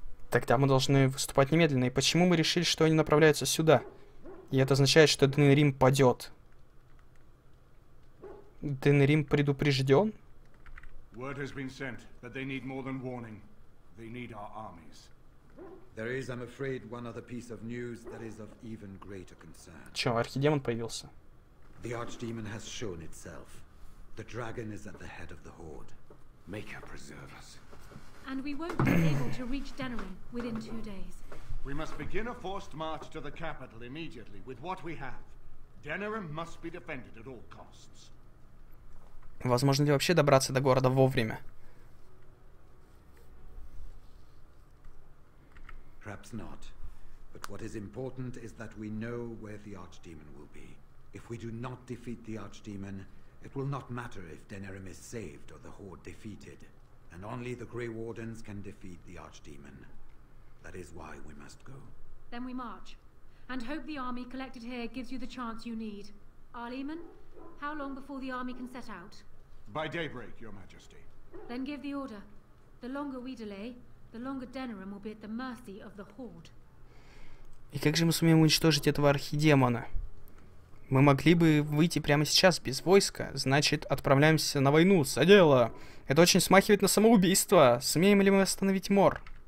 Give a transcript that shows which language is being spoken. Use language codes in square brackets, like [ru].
[ru] Тогда мы должны выступать немедленно. И почему мы решили, что они направляются сюда? И это означает, что Денерим падет. Денерим предупрежден? [en] Word has been sent that they need more than warning. They need our armies. There is, I'm afraid, one other piece of news that is of even greater concern. [ru] Че, архидемон появился? [en] The archdemon has shown itself. The dragon is at the head of the Horde. Make her preserve us. And we won't be able to reach Denerim within 2 days. We must begin a forced march to the capital immediately with what we have. Denerim must be defended at all costs. [ru] Возможно ли вообще добраться до города вовремя? [en] Perhaps not. But what is important is that we know where the archdemon will be. If we do not defeat the archdemon, it will not matter if Denerim is saved or the Horde defeated. And only the Grey Wardens can defeat the archdemon. That is why we must go. Then we march. And hope the army collected here gives you the chance you need. Arleman, how long before the army can set out? By daybreak, Your Majesty. Then give the order. The longer we delay, the longer Denerim will be at the mercy of the Horde. [ru] И как же мы сумеем уничтожить этого архидемона? Мы могли бы выйти прямо сейчас без войска. Значит, отправляемся на войну. За дело. Это очень смахивает на самоубийство. Сумеем ли мы остановить Мор?